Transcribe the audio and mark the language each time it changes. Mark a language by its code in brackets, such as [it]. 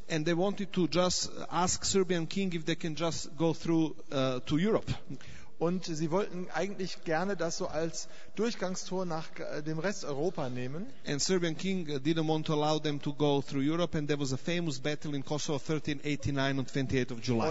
[en] And they wanted to just ask Serbian king if they can just go through to Europe. [de] Und sie wollten eigentlich gerne das so als Durchgangstor nach dem Rest Europa nehmen. [en] And Serbian king didn't want to allow them to go through Europe, and there was a famous battle in Kosovo 1389 on 28th of July.